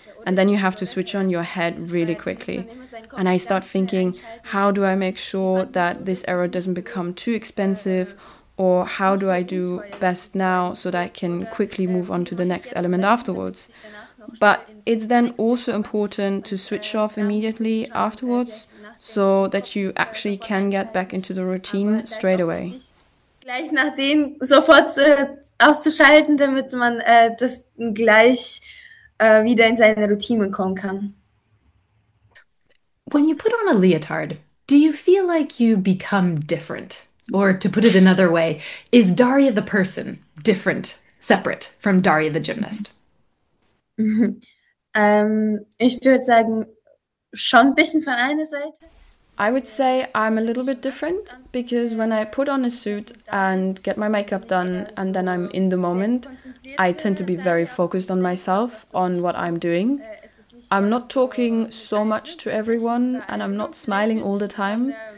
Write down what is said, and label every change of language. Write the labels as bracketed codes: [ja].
[en] And then you have to switch on your head really quickly. And I start thinking, how do I make sure that this error doesn't become too expensive? Or how do I do best now so that I can quickly move on to the next element afterwards? But it's then also important to switch off immediately afterwards, so that you actually can get back into the routine straight away. [de] Gleich nach denen sofort auszuschalten, damit man das gleich wieder in seine Routine kommen kann. [en] When you put on a leotard, do you feel like you become different? Or to put it another way, is Daria the person different, separate from Daria the gymnast? [de] Ich würde sagen, schon ein bisschen von einer Seite. [en] I would say I'm a little bit different because when I put on a suit and get my makeup done and then I'm in the moment, I tend to be very focused on myself, on what I'm doing. I'm not talking so much to everyone and I'm not smiling all the time.